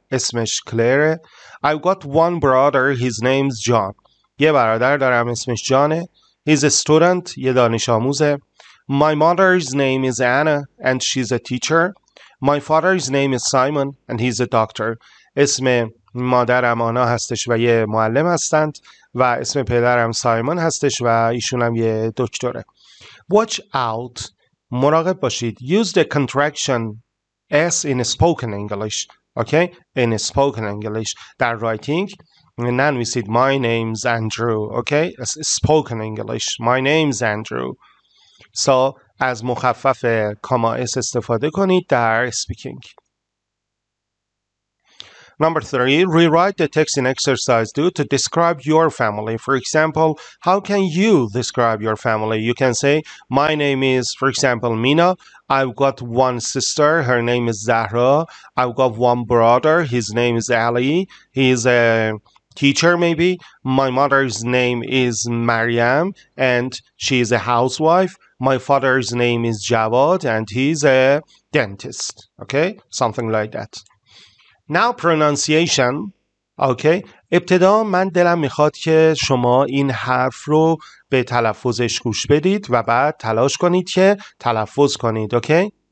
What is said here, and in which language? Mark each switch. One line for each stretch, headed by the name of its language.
Persian: اسمش کلیره.
English: I've got one brother. His name's John.
Persian: یه برادر دارم. اسمش جانه.
English: He's a student.
Persian: یه دانش آموزه.
English: My mother's name is Anna and she's a teacher. My father's name is Simon and he's a doctor.
Persian: اسم مادرم آنا هستش و یه معلم هستند و اسم پدرم سایمون هستش و ایشون هم یه دکتره.
English: Watch out.
Persian: مراقب باشید.
English: Use the contraction S in spoken English. Okay? In spoken English.
Persian: در writing ننویسید
English: My name's Andrew. Okay? Spoken English. My name's Andrew.
Persian: So از مخفف کاما S استفاده کنید در speaking.
English: Number 3, rewrite the text in exercise 2 to describe your family. For example, how can you describe your family? You can say, my name is, for example, Mina. I've got one sister. Her name is Zahra. I've got one brother. His name is Ali. He's a teacher, maybe. My mother's name is Maryam, and she's a housewife. My father's name is Javad, and he's a dentist. Okay, something like that. Now pronunciation, okay.
Persian: ابتدا من دلم میخواد که شما این حرف رو به تلفظش گوش بدید و بعد تلاش کنید که تلفظ کنید, okay?